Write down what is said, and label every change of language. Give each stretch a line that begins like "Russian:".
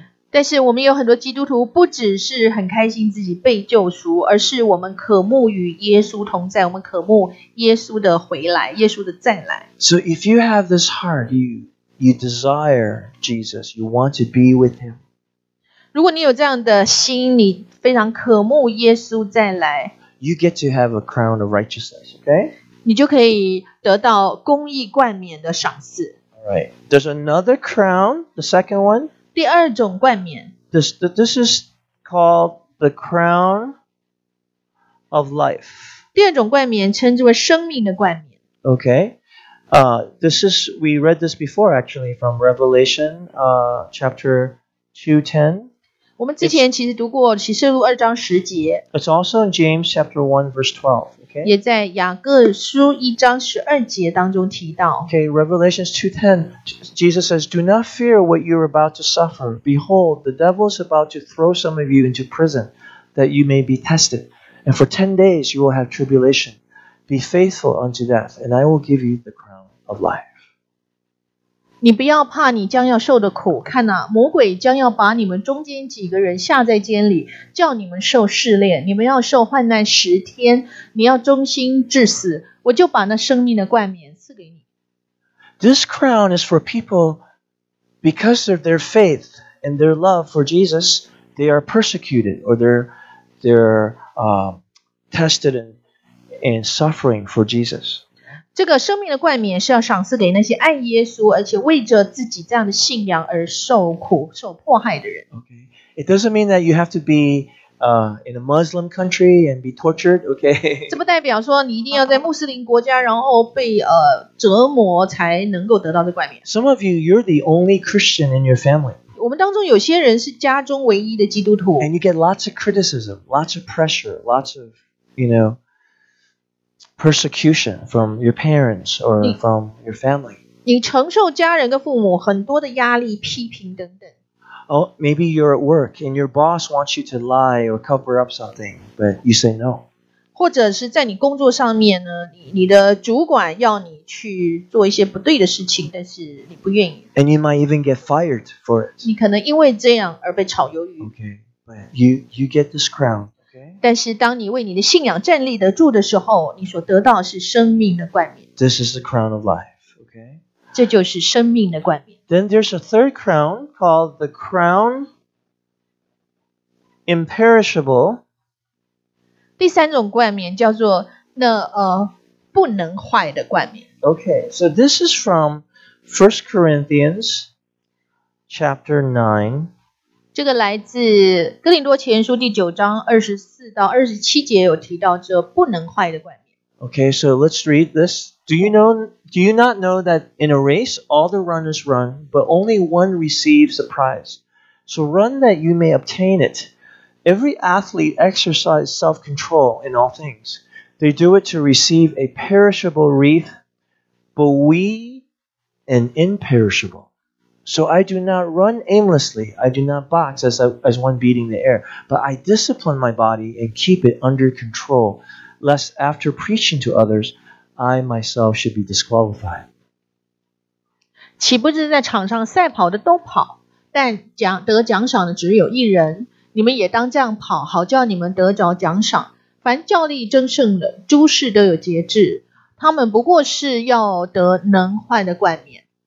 Chinese: 但是我们有很多基督徒不只是很开心自己被救赎而是我们渴慕与耶稣同在我们渴慕耶稣的回来耶稣的再来。
English: So if you have this heart, you desire Jesus, you want to be with him.
Chinese: 如果你有这样的心，你非常渴慕耶稣再来。
English: You get to have a crown of righteousness, okay?
Chinese: 你就可以得到公义冠冕的赏赐。
English: Right. There's another crown, the second one.
Chinese: 第二种冠冕。
English: This is called the crown of life.
Chinese: 第二种冠冕称之为生命的冠冕。
English: Okay. We read this before actually from Revelation chapter 2:10.
Chinese: 我们之前其实读过启示录二章十节。
English: It's also in James chapter 1 verse 12. Okay.
Chinese: 也在雅各书一章十二节当中提到。
English: Okay, Revelation 2:10, Jesus says, "Do not fear what you are about to suffer. Behold, the devil is about to throw some of you into prison, that you may be tested. And for 10 days you will have tribulation. Be faithful unto death, and I will give you the crown of life."
Chinese: 你不要怕你将要受的苦，看啊，魔鬼将要把你们中间几个人下在监里，叫你们受试炼，你们要受患难十天，你要忠心至死，我就把那生命的冠冕赐给你。
English: This crown is for people because of their faith and their love for Jesus, they are persecuted or they're tested and suffering for Jesus.
Chinese: 这个生命的冠冕是要赏赐给那些爱耶稣，而且为着自己这样的信仰而受苦、受迫害的人。
English: Okay. It doesn't mean that you have to be in a Muslim country and be tortured. Okay.
Chinese: 这不代表说你一定要在穆斯林国家，然后被折磨才能够得到这冠冕。
English: Some of you, you're the only Christian in your family.
Chinese: 我们当中有些人是家中唯一的基督徒。
English: And you get lots of criticism, lots of pressure, lots of, you know. Persecution from your parents or from your family.
Chinese: 你承受家人跟父母很多的压力、批评等等。
English: Oh, maybe you're at work and your boss wants you to lie or cover up something, but you say no.
Chinese: 或者是在你工作上面呢，你的主管要你去做一些不对的事情，但是你不愿意。
English: And you might even get fired for it.
Chinese: 你可能因为这样而被炒鱿鱼。
English: Okay, but you get this crown.
Chinese: 但是当你为你的信仰站立得住的时候，你所得到是生命的冠冕。
English: This is the crown of life, okay?
Chinese: 这就是生命的冠冕。
English: Then there's a third crown called the crown imperishable.
Chinese: 第三种冠冕叫做那不能坏的冠冕。
English: Okay, so this is from 1 Corinthians chapter 9.
Chinese: 这个来自哥林多前书第九章二十四到二十七节有提到这不能坏的冠冕。
English: Okay, so let's read this. Do you not know that in a race all the runners run, but only one receives the prize? So run that you may obtain it. Every athlete exercises self-control in all things. They do it to receive a perishable wreath, but we an imperishable. So I do not run aimlessly. I do not box as one beating the air. But I discipline my body and keep it under control, lest after preaching to others, I myself should be disqualified.
Chinese: 岂不知在场上赛跑的都跑，但得奖赏的只有一人。你们也当这样跑，好叫你们得着奖赏。凡较力争胜的，诸事都有节制。他们不过是要得能坏的冠冕。